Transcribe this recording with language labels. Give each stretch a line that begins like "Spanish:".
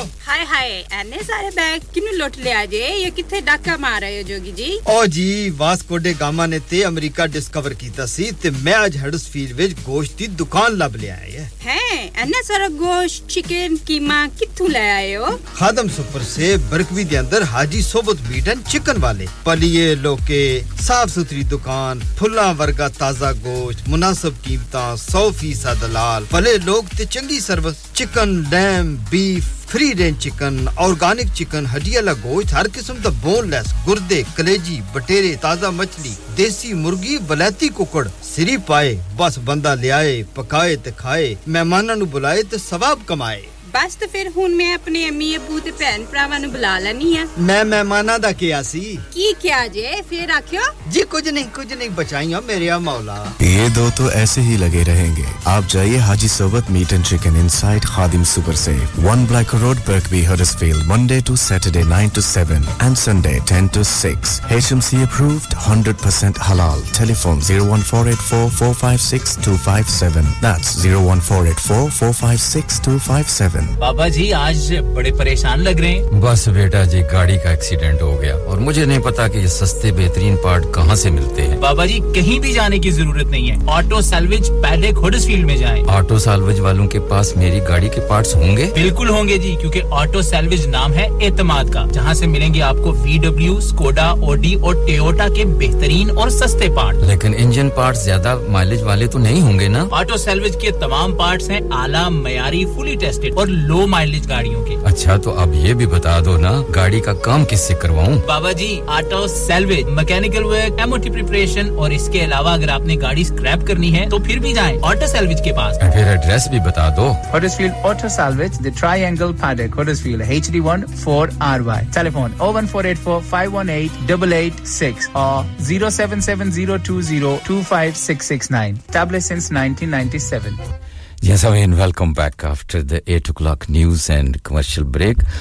Punjabi: ਹਾਏ ਹਾਏ ਐਨੇ ਸਾਰੇ ਬੈਗ ਕਿਨੂੰ ਲੁੱਟ ਲਿਆ ਜੇ ਇਹ ਕਿੱਥੇ ਡਾਕਾ ਮਾਰ ਰਹੇ ਹੋ ਜੋਗੀ ਜੀ ਓ ਜੀ ਵਾਸਕੋ ਡੇ ਗਾਮਾ ਨੇ ਤੇ ਅਮਰੀਕਾ ਡਿਸਕਵਰ ਕੀਤਾ ਸੀ ਤੇ ਮੈਂ ਅੱਜ ਹੈਡਸਫੀਲ ਵਿੱਚ ਗੋਸ਼ਤ ਦੀ ਦੁਕਾਨ ਲੱਭ ਲਿਆ ਹੈ ਹੈ ਐਨੇ ਸਾਰੇ ਗੋਸ਼ ਚਿਕਨ ਕੀਮਾ ਕਿੱਥੋਂ ਲੈ ਆਏ ਹੋ ਖਾਦਮ ਸੁਪਰ ਸੇ ਬਰਕਵੀ ਦੇ ਅੰਦਰ ਹਾਜੀ ਸੋਬਤ ਮੀਟ ਐਂਡ ਚਿਕਨ ਵਾਲੇ ਪਲੀਏ ਲੋਕੇ ਸਾਫ ਸੁਥਰੀ ਦੁਕਾਨ ਫੁੱਲਾਂ ਵਰਗਾ ਤਾਜ਼ਾ ਗੋਸ਼ਤ ਮੁਨਾਸਬ ਕੀਮਤਾਂ 100% ਦਲਾਲ ਭਲੇ ਲੋਕ ਤੇ ਚੰਗੀ service Chicken, lamb, beef, free-range chicken, organic chicken, hadiyala gosht, har kisam da boneless, gurde, kaleji, batere, taza machli, desi murgi, balati kukad, siri paaye, bas banda liaye, pakaye te khaye, mehmana nu bulaye te sawab kamaye. ਬਸ ਤੇ ਫਿਰ ਹੁਣ ਮੈਂ ਆਪਣੇ ਅੰਮੀ ਅਬੂ ਤੇ ਭੈਣ ਭਰਾਵਾਂ ਨੂੰ ਬੁਲਾ ਲੈਣੀ ਆ ਮੈਂ ਮਹਿਮਾਨਾਂ ਦਾ ਕਿਹਾ ਸੀ ਕੀ ਕਿਹਾ ਜੇ ਫਿਰ ਆਖਿਓ ਜੀ ਕੁਝ ਨਹੀਂ ਬਚਾਈਆਂ ਮੇਰਿਆ ਮੌਲਾ ਇਹ ਦੋ ਤੋ ਐਸੇ ਹੀ ਲਗੇ ਰਹਿਣਗੇ ਆਪ ਜਾਈਏ ਹਾਜੀ ਸਵਤ meat and chicken inside Khadim super say 1 black road ਬਰਕਵੀ ਹਰਸਫੀਲਡ
English: Monday to Saturday 9 to 7 and Sunday 10 to 6
Punjabi: HMC approved 100% ਹਲਾਲ ਟੈਲੀਫੋਨ 01484456257 ਦੈਟਸ 01484456257
Hindi: बाबा जी आज बड़े परेशान लग रहे हैं बस बेटा जी गाड़ी का एक्सीडेंट हो गया और मुझे नहीं पता कि ये सस्ते बेहतरीन पार्ट कहां से मिलते हैं बाबा जी कहीं भी जाने की जरूरत नहीं है ऑटो सेल्वेज पहले हडर्सफील्ड में जाएं ऑटो सेल्वेज वालों के पास मेरी गाड़ी के पार्ट्स होंगे बिल्कुल होंगे जी क्योंकि ऑटो सेल्वेज नाम है एतमाद का जहां से मिलेंगे आपको VW स्कोडा ऑडी और टोयोटा के बेहतरीन और सस्ते पार्ट्स लेकिन इंजन पार्ट्स ज्यादा माइलेज वाले तो नहीं होंगे ना ऑटो सेल्वेज के तमाम पार्ट्स हैं आला मयारी फुली टेस्टेड और लो माइलेज गाड़ियों के अच्छा तो अब ये भी बता दो ना गाड़ी का काम किससे करवाऊं बाबा जी auto salvage mechanical work MOT preparation और इसके अलावा अगर आपने गाड़ी स्क्रैप करनी है तो फिर भी जाएं ऑटो सेल्वेज के पास फिर एड्रेस भी बता दो Huddersfield auto salvage the triangle paddock Huddersfield HD1 4RY telephone 01484518886 और 0770202569 tablet since 1997
English: Yes, I mean, welcome back after the 8 o'clock news and commercial break.